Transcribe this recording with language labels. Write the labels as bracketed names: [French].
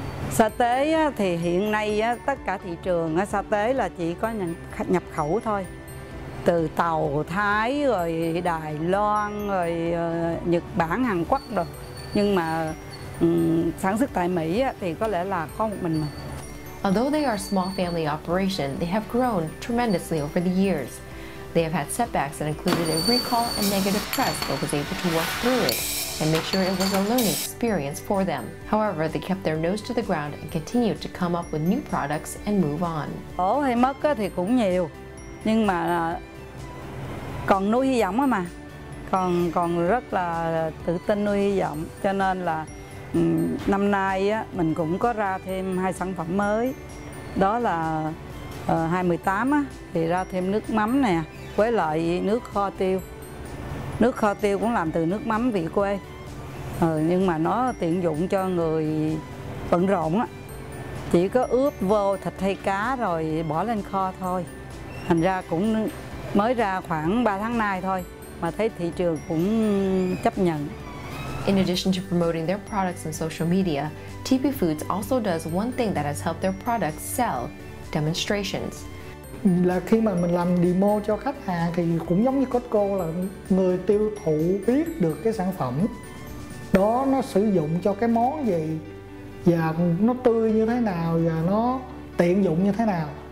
[Vietnamese] Sa tế thì hiện nay tất cả thị trường sa tế là chỉ có nhập khẩu thôi. Từ Tàu, Thái, rồi Đài Loan, rồi Nhật Bản, Hàn Quốc rồi. Nhưng mà sản xuất tại Mỹ thì có lẽ là có một mình. [English] Although they are small family operation, they have grown tremendously over the years. They have had setbacks that included a recall and negative press, but was able to work through it and make sure it was a learning experience for them. However, they kept their nose to the ground and continued to come up with new products and move on. [Vietnamese] Ổ thì mất thì cũng nhiều, nhưng mà còn nuôi hy vọng mà, còn rất là tự tin nuôi hy vọng, cho nên là Năm nay á, mình cũng có ra thêm hai sản phẩm mới. Đó là 2018 á, thì ra thêm nước mắm nè, với lại nước kho tiêu. Nước kho tiêu cũng làm từ nước mắm vị quê. Nhưng mà nó tiện dụng cho người bận rộn á. Chỉ có ướp vô thịt hay cá rồi bỏ lên kho thôi. Thành ra cũng mới ra khoảng 3 tháng nay thôi, mà thấy thị trường cũng chấp nhận. [English] In addition to promoting their products on social media, TP Foods also does one thing that has helped their products sell: demonstrations. [Vietnamese] Là khi mà mình làm demo cho khách hàng thì cũng giống như Costco, là người tiêu thụ biết được cái sản phẩm đó nó sử dụng cho cái món gì và nó tươi như thế nào và nó tiện dụng như thế nào.